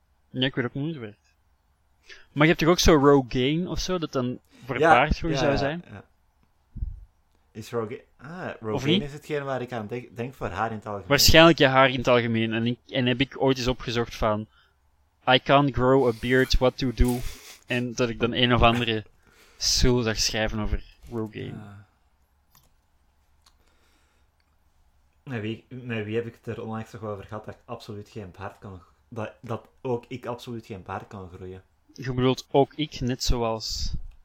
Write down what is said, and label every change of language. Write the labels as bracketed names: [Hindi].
[Dutch] Nee, ik weet ook niet meer. Maar je hebt toch ook zo Rogaine of zo, dat dan voor het paard goed zou zijn? Is Rogaine is hetgeen waar ik aan denk voor haar in het algemeen. Waarschijnlijk je haar in het algemeen. En heb ik ooit eens opgezocht van... [English] I can't grow a beard, what to do? [Dutch] En dat ik dan een of andere soul zag schrijven over Rogaine. Met wie heb ik het er onlangs nog over gehad dat ik absoluut geen paard kan... Dat ook ik absoluut geen paard kan groeien. Je bedoelt ook ik, net zoals...